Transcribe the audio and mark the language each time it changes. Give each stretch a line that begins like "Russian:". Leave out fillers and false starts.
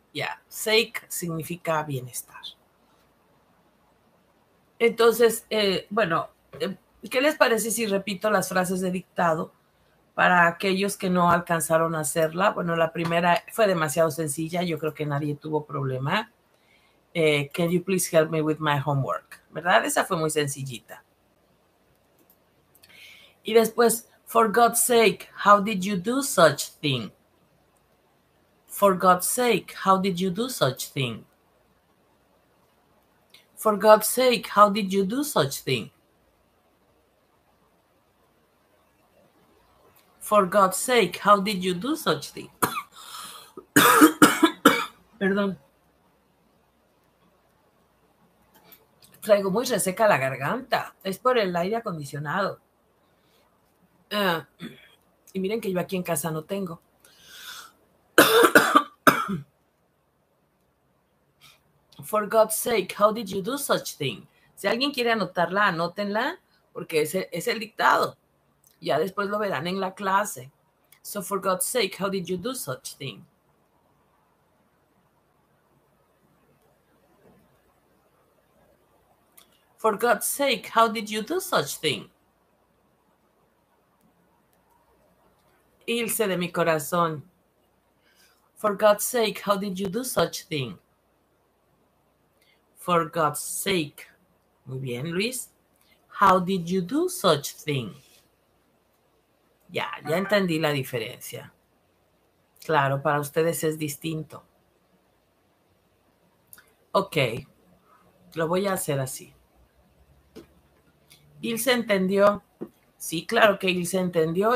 Spanish: Ya, sake significa bienestar. Entonces, bueno, ¿qué les parece si repito las frases de dictado? Para aquellos que no alcanzaron a hacerla, bueno, la primera fue demasiado sencilla, yo creo que nadie tuvo problema.
English: Can you please help me with my homework?
Spanish: ¿Verdad? Esa fue muy sencillita. Y después,
English: for God's sake, how did you do such thing? For God's sake, how did you do such thing? For God's sake, how did you do such thing? For God's sake, how did you do such thing?
Spanish: Perdón. Traigo muy reseca la garganta. Es por el aire acondicionado. Y miren que yo aquí en casa no tengo.
English: For God's sake, how did you do such thing?
Spanish: Si alguien quiere anotarla, anótenla, porque es el dictado. Ya después lo verán en la clase.
English: So for God's sake, how did you do such thing? For God's sake, how did you do such thing?
Spanish: Ilse de mi corazón.
English: For God's sake, how did you do such thing? For God's sake.
Spanish: Muy bien, Luis.
English: How did you do such thing?
Spanish: Ya entendí la diferencia. Claro, para ustedes es distinto. Ok, lo voy a hacer así. Ilse entendió. Sí, claro que Ilse entendió.